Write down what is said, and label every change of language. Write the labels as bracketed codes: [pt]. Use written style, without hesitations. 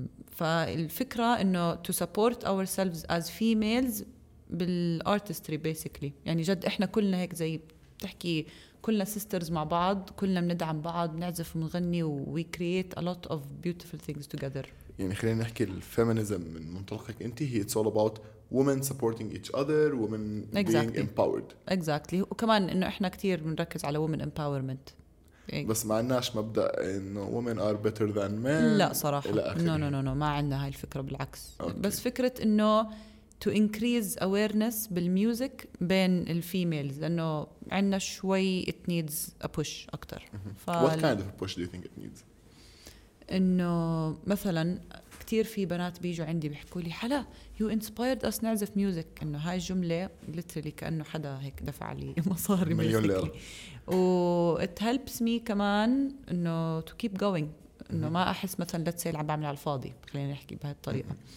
[ar] فالفكرة إنه [en] to support ourselves as females [ar] بالartistry basically يعني جد إحنا كلنا هيك زي تحكي كلنا sisters مع بعض كلنا بندعم بعض بنعزف ونغني [en] we create a lot of beautiful things together. [ar] يعني خلينا نحكي الفيمينيزم من منطلقك أنت هي [en] it's all about women supporting each other [ar] women exactly. [en] being empowered [ar] exactly وكمان إنه إحنا كتير بنركز على [en] women empowerment. [ar] بس ما عندناش مبدأ إنه [en] women are better than men. [ar] لا صراحة. [en] No. [ar] ما عندنا هاي الفكرة بالعكس. [en] Okay. [ar] بس فكرة إنه [en] to increase awareness [ar] بالميوزك بين الفيميلز لأنه عندنا شوي [en] it needs a push [ar] أكتر. [en] What kind of push do you think it needs? [ar] إنه مثلاً كتير في بنات بيجوا عندي بيحكوا لي حلا [en] you inspired us [ar] نعزف ميوزك إنه هاي الجملة literally كأنه حدا هيك دفع لي مصاري مليون ليرة. و [en] it helps me [ar] كمان إنه [en] to keep going [ar] إنه ما أحس مثلاً [en] let's say [ar] عم بعمل على الفاضي خلينا نحكي بهالطريقة.